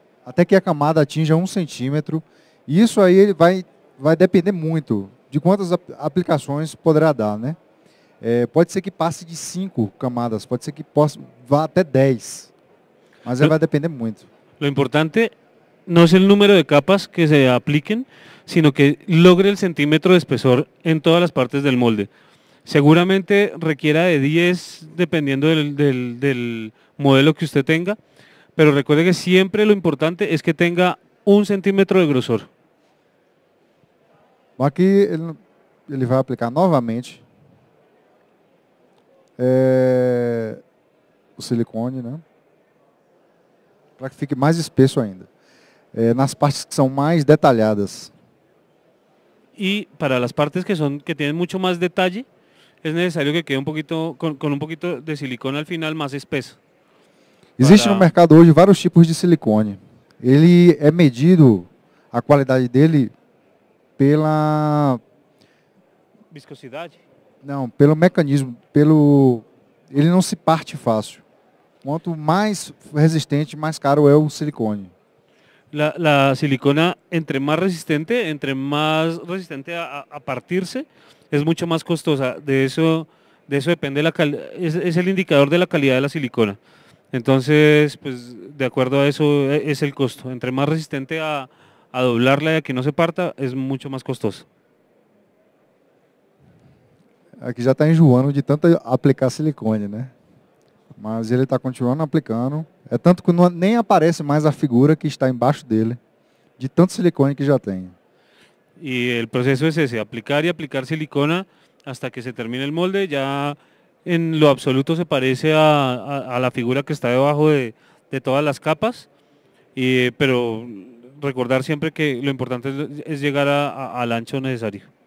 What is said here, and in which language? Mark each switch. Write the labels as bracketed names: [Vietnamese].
[Portuguese] até que a camada atinja 1 centímetro. Isso aí vai depender muito de quantas aplicações poderá dar, né? É, pode ser que passe de 5 camadas, pode ser que possa vá até 10, mas vai depender muito. [Spanish] Lo importante no es el número de capas que se apliquen, sino que logre el centímetro de espesor en todas las partes del molde. Seguramente requiera de 10, dependiendo del modelo que usted tenga, pero recuerde que siempre lo importante es que tenga 1 centímetro de grosor. Aquí él va a aplicar nuevamente el silicone, ¿no? [Portuguese] Para que fique [Spanish] más espeso [Portuguese] ainda. É, nas partes que são mais detalhadas. E para as partes que têm muito mais detalhe, é necessário que quede um pouquinho com um pouquinho de silicone [Spanish] al final [Portuguese] mais espesso. Existe no mercado hoje vários tipos de silicone. Ele é medido, a qualidade dele, pela viscosidade? Não, pelo mecanismo, ele não se parte fácil. Quanto mais resistente, mais caro é o silicone. [Spanish] La silicona, entre más resistente, a partirse, es mucho más costosa. De eso depende es el indicador de la calidad de la silicona. Entonces, pues de acuerdo a eso es el costo. Entre más resistente a doblarla y a que no se parta, es mucho más costoso. Aquí ya está enjoando de tanto aplicar silicone, ¿no? [Portuguese] Mas ele está continuando aplicando. É tanto que nem aparece mais a figura que está embaixo dele, de tanto silicone que já tem. E o processo é esse, aplicar e aplicar silicona até que se termine o molde, já [Spanish] em lo absoluto [Portuguese] se parece a figura que está debaixo de todas as capas, mas recordar sempre que o importante é chegar ao ancho necessário.